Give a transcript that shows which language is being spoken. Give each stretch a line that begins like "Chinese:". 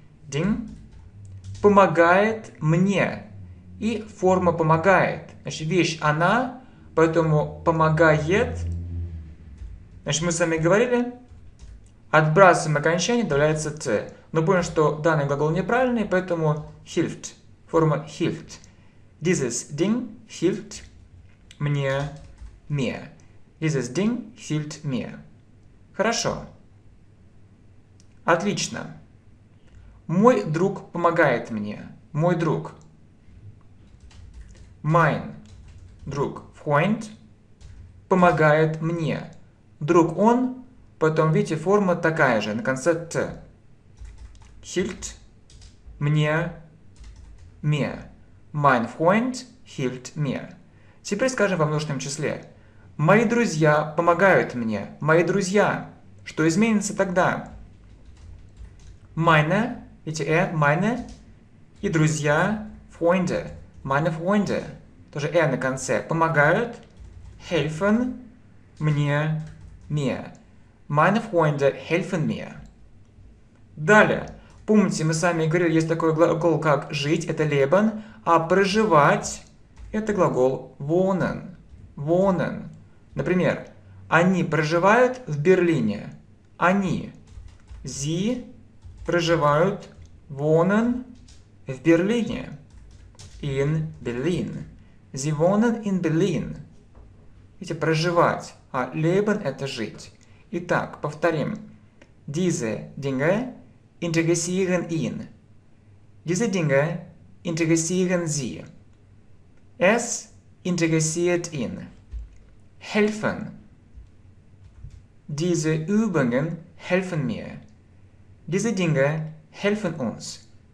German: Ding.
Russian: Помогает мне. И форма помогает. Значит, вещь она, поэтому помогает. Значит, мы с вами говорили. Отбрасываем окончание, добавляется t. Но понял, что данный глагол неправильный, поэтому
German: hilft,
Russian: форма hilft.
German: Dieses Ding hilft
Russian: мне,
German: mir. Dieses Ding hilft mir.
Russian: Хорошо. Отлично. Мой друг помогает мне. Мой друг.
German: Mein,
Russian: друг,
German: Freund,
Russian: помогает мне. Друг он, потом, видите, форма такая же, на конце t.
German: Hilft
Russian: мне,
German: mir. Mein Freund hilft mir.
Russian: Теперь скажем во множественном числе. Мои друзья помогают мне. Мои друзья. Что изменится тогда?
German: Meine,
Russian: видите,
German: er, meine.
Russian: И друзья,
German: Freunde. Meine Freunde.
Russian: Тоже er на конце. Помогают.
German: Helfen
Russian: мне,
German: mir. Meine Freunde helfen mir. Далее.
Russian: Помните, мы с вами говорили, есть такой глагол, как жить, это leben, а проживать это глагол wohnen.
German: Wohnen.
Russian: Например, они проживают в Берлине. Они.
German: Sie
Russian: проживают
German: wohnen
Russian: в Берлине.
German: In Berlin. Sie wohnen in Berlin.
Russian: Видите, проживать. А leben это жить. Итак, повторим.
German: Diese Dinge interessieren ihn. Diese Dinge interessieren sie. Es interessiert ihn. Helfen. Diese Übungen helfen mir. Diese Dinge helfen uns.